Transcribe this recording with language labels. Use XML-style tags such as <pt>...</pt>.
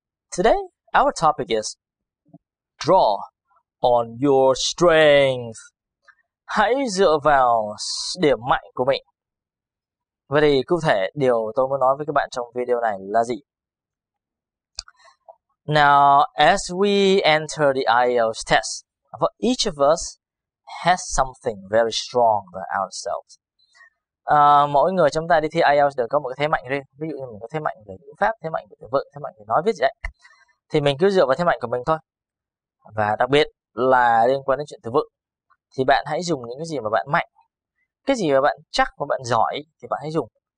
<en>Today, our topic is draw on your strength.</en> <vi>Hãy dựa vào điểm mạnh của mình. Vậy thì cụ thể điều tôi muốn nói với các bạn trong video này là gì?</vi> <en>Now, as we enter the IELTS test, for each of us has something very strong about ourselves.</en> <vi>Mỗi người chúng ta đi thi IELTS đều có một cái thế mạnh riêng. Ví dụ như mình có thế mạnh về ngữ pháp, thế mạnh về từ vựng, thế mạnh về nói viết gì đấy. Thì mình cứ dựa vào thế mạnh của mình thôi. Và đặc biệt là liên quan đến chuyện từ vựng, thì bạn hãy dùng những cái gì mà bạn mạnh, cái gì mà bạn chắc và bạn giỏi thì bạn hãy dùng.</vi>